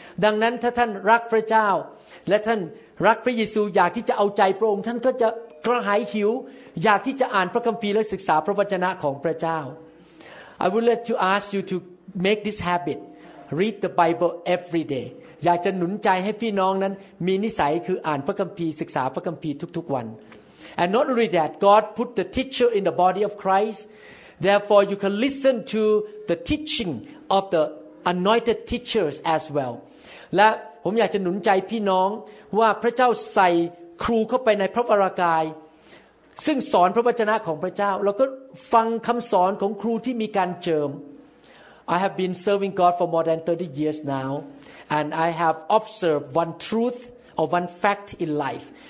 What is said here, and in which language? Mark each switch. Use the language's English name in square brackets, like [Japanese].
[Thai] ดังนั้นถ้าท่านรักพระเจ้าและท่านรักพระเยซูอยากที่จะเอาใจพระองค์ท่านก็จะกระหายหิวอยากที่จะอ่านพระคัมภีร์และศึกษาพระวจนะของพระเจ้า [English] I would like to ask you to make this habit, read the Bible every day. [Thai] อยากจะหนุนใจให้พี่น้องนั้นมีนิสัยคืออ่านพระคัมภีร์ศึกษาพระคัมภีร์ทุกๆวัน [English] And not only that, God put the teacher in the body of Christ. Therefore, you can listen to the teaching of the anointed teachers as well. [Thai] และผมอยากจะหนุนใจพี่น้องว่าพระเจ้าใส่ครูเข้าไปในพระวรกายซึ่งสอนพระวจนะของพระเจ้าแล้วก็ฟังคำสอนของครูที่มีการเจิม [English] I have been serving God for more than 30 years now, and I have observed one truth or one fact in life.